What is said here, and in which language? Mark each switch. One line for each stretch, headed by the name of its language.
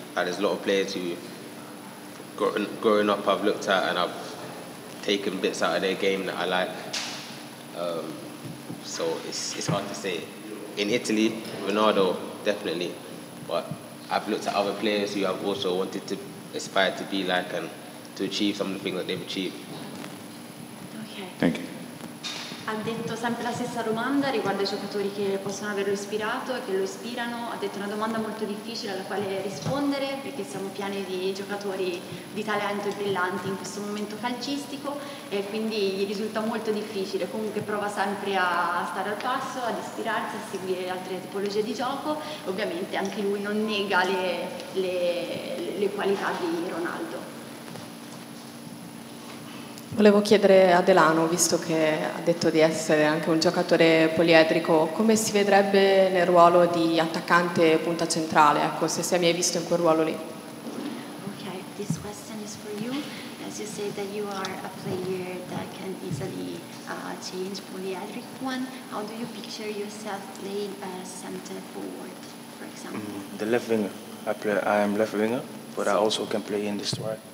English: And there's a lot of players who, growing up, I've looked at and I've taken bits out of their game that I like. So it's hard to say. In Italy, Ronaldo, definitely. But I've looked at other players who I've also wanted to aspire to be like and to achieve some of the things that they've achieved. Okay. Thank you.
Italian: Ha detto sempre la stessa domanda riguardo ai giocatori che possono averlo ispirato e che lo ispirano. Ha detto una domanda molto difficile alla quale rispondere, perché siamo pieni di giocatori di talento e brillanti in questo momento calcistico, e quindi gli risulta molto difficile. Comunque prova sempre a stare al passo, ad ispirarsi, a seguire altre tipologie di gioco. Ovviamente anche lui non nega le qualità di Ronaldo. Volevo chiedere a Delano, visto che ha detto di essere anche un giocatore poliedrico, come si vedrebbe nel ruolo di attaccante punta centrale, ecco, se si è mai visto in quel ruolo lì?
English: Okay, this question is for you. As you say that you are a player that can easily change poliedric one, how do you picture yourself playing a center forward, for example? The left winger. I am left winger, but I also can play in this right.